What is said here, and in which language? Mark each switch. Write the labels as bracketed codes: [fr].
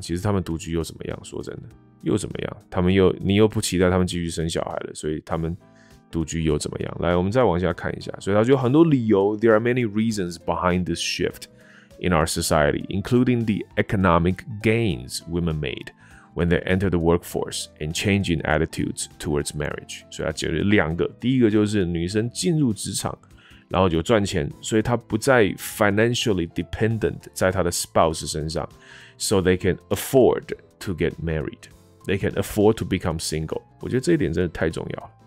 [zh] 其实他们独居又怎么样？说真的，又怎么样？他们又你又不期待他们继续生小孩了，所以他们独居又怎么样？来，我们再往下看一下。所以他就有很多理由 [en] ，There are many reasons behind this shift in our society, including the economic gains women made when they enter the workforce and changing attitudes towards marriage. [zh] 所以他解决两个，第一个就是女生进入职场。然后有赚钱，所以他不再 [en] financially dependent [zh] 在他的 [en] spouse [zh] 身上 [en] ，so they can afford to get married, they can afford to become single。 [zh] 我觉得这一点真的太重要了。